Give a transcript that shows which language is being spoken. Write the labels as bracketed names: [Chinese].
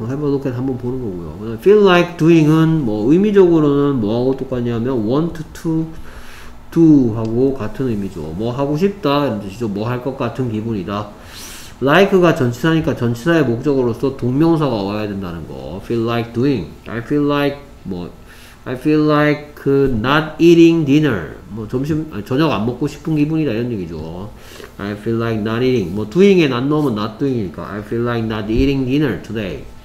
[Korean] 해보도록 한번 보는 거고요. feel like doing은 뭐 의미적으로는 뭐하고 똑같냐면 want to do 하고 같은 의미죠. 뭐 하고 싶다 이런 뜻이죠. 뭐 할 것 같은 기분이다. like가 전치사니까 전치사의 목적으로서 동명사가 와야 된다는 거. [English] feel like doing. I feel like [Korean] 뭐 [English] I feel like not eating dinner. [Korean] 뭐 점심 아니, 저녁 안 먹고 싶은 기분이다 이런 얘기죠. [English] I feel like not eating. 뭐 doing에 not 넣으면 not doing이니까 I feel like not eating dinner today.